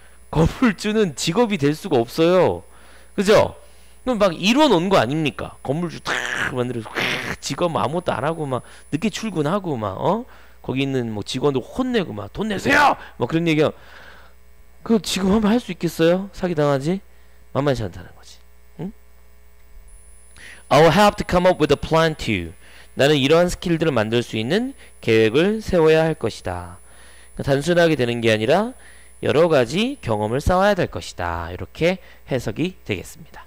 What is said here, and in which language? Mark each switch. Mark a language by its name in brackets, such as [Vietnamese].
[Korean] 건물주는 직업이 될 수가 없어요. 그죠? 그럼 막 이뤄놓은 거 아닙니까? 건물주 탁 만들어서 직업 아무것도 안 하고 막 늦게 출근하고 막 거기 있는 뭐 직원도 혼내고 막 돈 내세요! 막 그런 얘기 그 지금 하면 할 수 있겠어요? 사기당하지? 만만치 않다는 거지. 응? [English] I'll have to come up with a plan too. [Korean] 나는 이러한 스킬들을 만들 수 있는 계획을 세워야 할 것이다. 단순하게 되는 게 아니라 여러 가지 경험을 쌓아야 될 것이다. 이렇게 해석이 되겠습니다.